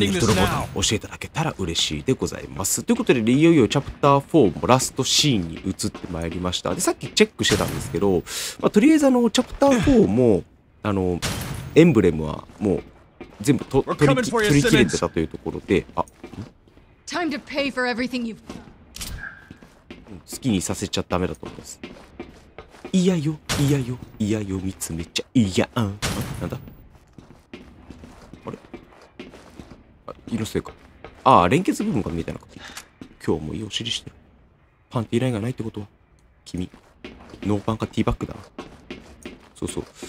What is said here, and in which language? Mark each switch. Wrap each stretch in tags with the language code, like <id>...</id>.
<ja>チャンネル登録ボタン教えていただけたら嬉しいでございます。ということで、ね、いよいよチャプター4もラストシーンに移ってまいりました。で、さっきチェックしてたんですけど、まあ、とりあえずチャプター4も、エンブレムはもう、全部取り切れてたというところで、あ、</ja> <en>Time to pay for everything you've done.</en> <ja>好きにさせちゃダメだと思います。いやよ、いやよ、いやよ、見つめちゃ、いや、あん。なんだ?あれ?あ、色のせいか。ああ、連結部分が見えたのか。今日もいいお尻してる。パンティーラインがないってことは、君、ノーパンかティーバッグだな。そうそう。</ja>